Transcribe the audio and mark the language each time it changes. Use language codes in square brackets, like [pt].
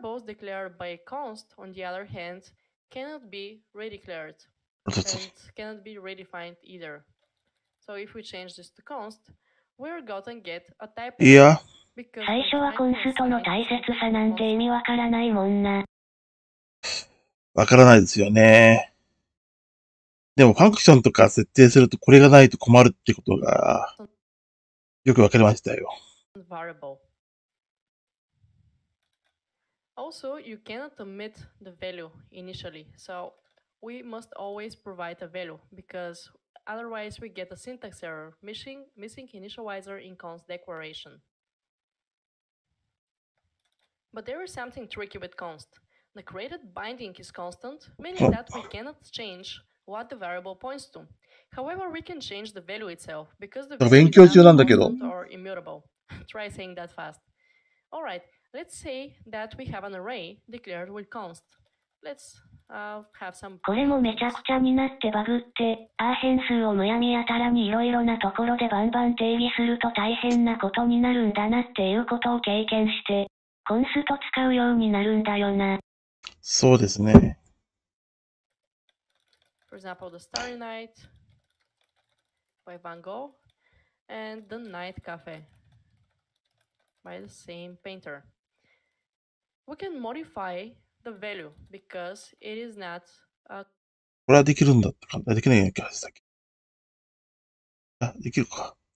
[en] Variables declared by const, on the other hand, cannot be redeclared and cannot be redefined either. So if we change this to const, we're gonna get a type error. [ja] いや、最初はコンストの大切さなんて意味わからないもんな。わからないですよね。でもファンクションとか設定するとこれがないと困るってことがよくわかりましたよ。 [en] Also, you cannot omit the value initially, so we must always provide a value because otherwise we get a syntax error, missing initializer in const declaration. But there is something tricky with const. The created binding is constant, meaning that we cannot change what the variable points to. However, we can change the value itself because the value is constant or immutable. Try saying that fast. All right. Let's say that we have an array declared with const. Let's have some. [ja] これもめちゃくちゃになってバグって、アー変数をむやみやたらにいろいろなところでバンバン定義すると大変なことになるんだなっていうことを経験して、コンスト使うようになるんだよな。そうですね。 [en] For example, the Starry Night by Van Gogh and the Night Cafe by the same painter. We can modify the value because it is not a. [ja] これはできるんだったか、できないような気がしたっけ。あ、できるか。